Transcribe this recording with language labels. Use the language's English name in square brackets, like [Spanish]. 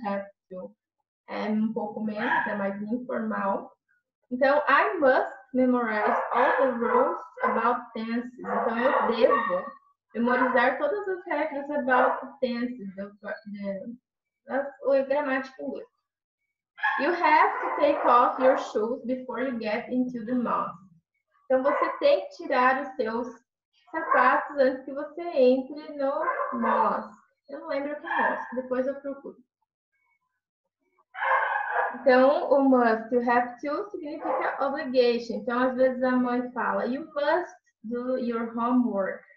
[Portuguese] Have to é um pouco menos, é mais informal. [English] Então, I must memorize all the rules about tenses. [Portuguese] Então, eu devo memorizar todas as regras [English] about tenses. That's o gramático inglês. You have to take off your shoes before you get into the mosque. [Portuguese] Então, você tem que tirar os seus sapatos antes que você entre no mosque. Eu não lembro o que é mosque, depois eu procuro. Então, o must, you have to, significa obligation. Então, às vezes a mãe fala, [English] you must do your homework.